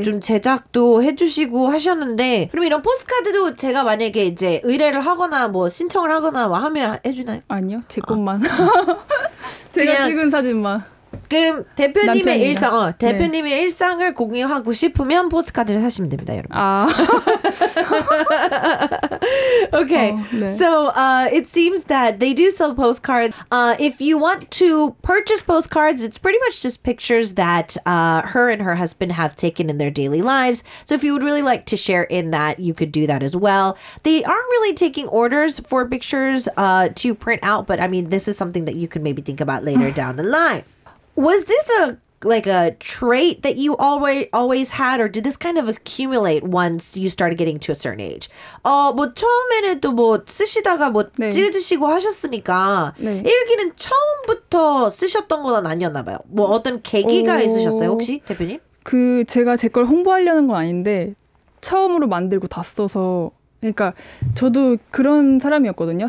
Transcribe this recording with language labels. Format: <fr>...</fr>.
<ko>좀 제작도 해주시고 하셨는데 그럼 이런 포스트카드도 제가 만약에 이제 의뢰를 하거나 뭐 신청을 하거나 뭐 하면 해주나요? 아니요, 제 것만. 제가 찍은 사진만. 그럼 대표님의 남편이나. 일상, 대표님의 네. 일상을 공유하고 싶으면 포스트카드를 사시면 됩니다, 여러분. 아.</ko> <en>Okay. 네. So, it seems that they do sell postcards. If you want to purchase postcards, it's pretty much just pictures that her and her husband have taken in their daily lives. So, if you would really like to share in that, you could do that as well. They aren't really taking orders for pictures to print out, but I mean, this is something that you can maybe think about later down the line. Was this a trait that you always had, or did this kind of accumulate once you started getting to a certain age?</en> <ko>뭐 처음에는 또 뭐 쓰시다가 뭐 네. 찢으시고 하셨으니까 네. 일기는 처음부터 쓰셨던 건 아니었나 봐요. 뭐 어떤 계기가 있으셨어요, 혹시 대표님? 그 제가 제 걸 홍보하려는 건 아닌데 처음으로 만들고 다 써서 그러니까 저도 그런 사람이었거든요.</ko>